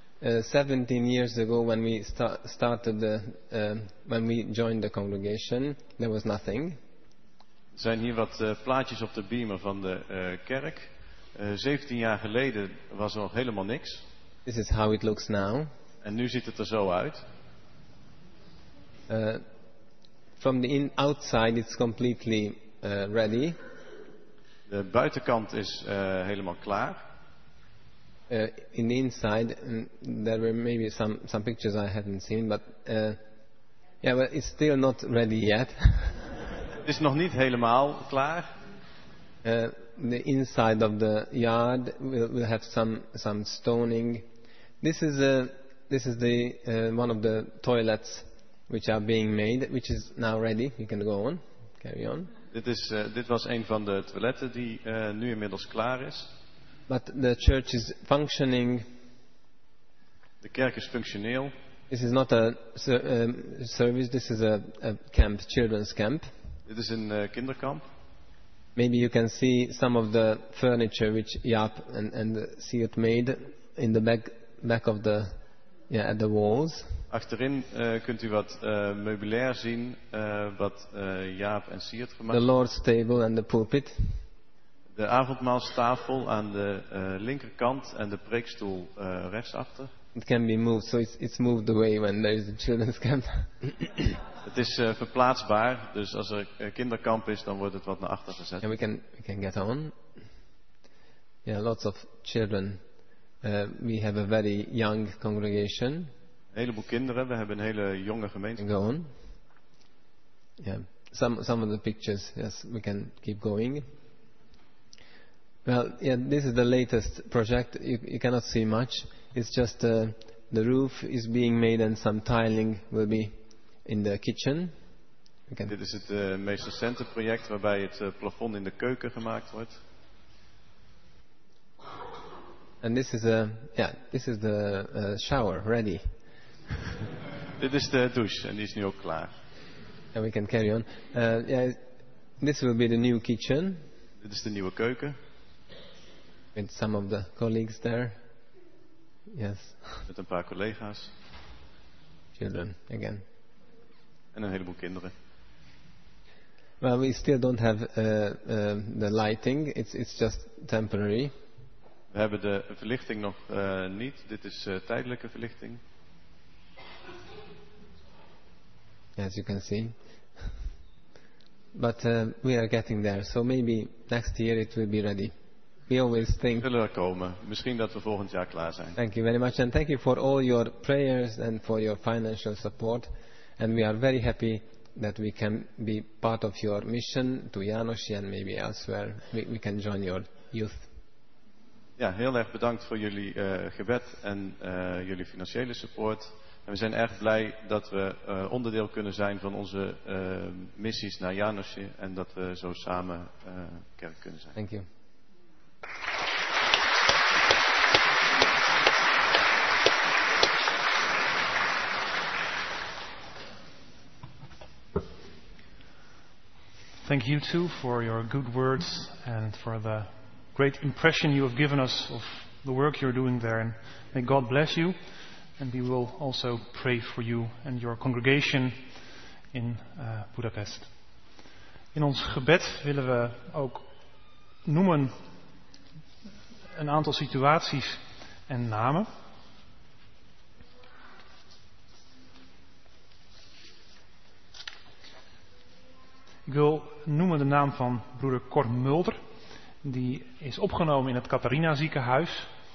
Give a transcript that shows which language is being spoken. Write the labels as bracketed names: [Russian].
[English] 17 years ago, when we started, when we joined the congregation, there was nothing. [Dutch] Er zijn hier wat plaatjes op de beamer van de kerk. 17 jaar geleden was er nog helemaal niks. [English] This is how it looks now. [Dutch] En nu ziet het er zo uit. [English] From the outside, it's completely ready. [Dutch] De buitenkant is helemaal klaar. [English] In the inside, there were maybe some pictures I hadn't seen, but well, it's still not ready yet. [Dutch] Het is nog niet helemaal klaar. [English] The inside of the yard will have some stoning. This is the one of the toilets which are being made, which is now ready. You can go on, carry on. [Dutch] Dit was een van de toiletten die nu inmiddels klaar is. [English] But the church is functioning. [Dutch] De kerk is functioneel. [English] This is not a service. This is a camp, children's camp. [Dutch] Dit is een kinderkamp. [English] Maybe you can see some of the furniture which Jaap and Siert made in the back of the at the walls. [Dutch] Achterin kunt u wat meubilair zien wat Jaap en Siert gemaakt. [English] The Lord's table and the pulpit. [Dutch] De avondmaalstafel aan de linkerkant en de preekstoel rechtsachter. [English] It can be moved, so it's moved away when there is a children's camp. [Dutch] Het is verplaatsbaar, dus als er kinderkamp is, dan wordt het wat naar achter gezet. [English] And we can get on. Yeah, lots of children. We have a very young congregation. [Dutch] Een heleboel kinderen, we hebben een hele jonge gemeente. [English] Go on. Yeah, some of the pictures, yes, we can keep going. Well, yeah, this is the latest project. You cannot see much. It's just the roof is being made and some tiling will be in the kitchen. [Dutch] Dit is het meest recente project waarbij het plafond in de keuken gemaakt wordt. [English] And this is shower ready. [Dutch] Dit is de douche en die is nu ook klaar. [English] And we can carry on. This will be the new kitchen. [Dutch] Dit is de nieuwe keuken. [English] With some of the colleagues there. Yes. [Dutch] Met een paar collega's. [English] Children again. [Dutch] En een heleboel kinderen. [English] Well, we still don't have the lighting. It's just temporary. [Dutch] We hebben de verlichting nog niet. Dit is tijdelijke verlichting. [English] As you can see. But we are getting there. So maybe next year it will be ready. We always think. [Dutch] Zullen er komen. Misschien dat we volgend jaar klaar zijn. [English] Thank you very much and thank you for all your prayers and for your financial support. And we are very happy that we can be part of your mission to Janosje and maybe elsewhere. We can join your youth. [Dutch] Ja, heel erg bedankt voor jullie gebed en jullie financiële support. En we zijn erg blij dat we onderdeel kunnen zijn van onze missies naar Janosje en dat we zo samen kerk kunnen zijn. [English] Thank you. Thank you too for your good words and for the great impression you have given us of the work you're doing there. And may God bless you, and we will also pray for you and your congregation in Budapest. [Dutch] In ons gebed willen we ook noemen een aantal situaties en namen. Ik wil noemen de naam van broeder Cor Mulder. Die is opgenomen in het Catharina ziekenhuis.